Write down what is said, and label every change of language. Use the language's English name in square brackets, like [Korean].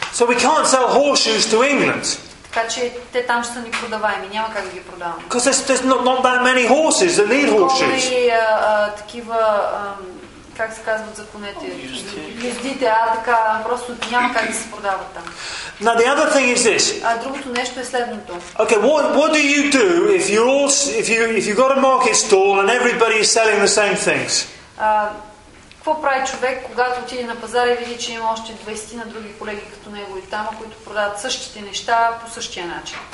[English] So we can't sell horses to England. [Bulgarian] Така че те там ще са ни продаваеми, няма как да ги продавам. [English] Because there's not that many horses that need horses. [Bulgarian] Колко ли такива, как се казват за конете, ездите, така просто няма как да се продават там. [English] Now the other thing is this. [Bulgarian] Другото нещо е следното. [English] Okay, what do you do if you're all, if you got a market stall and everybody is selling the same things? [Bulgarian] Какво прави човек, когато отиде на пазара и види, че има още 20 на други колеги като него и там, които продават същите неща по същия начин?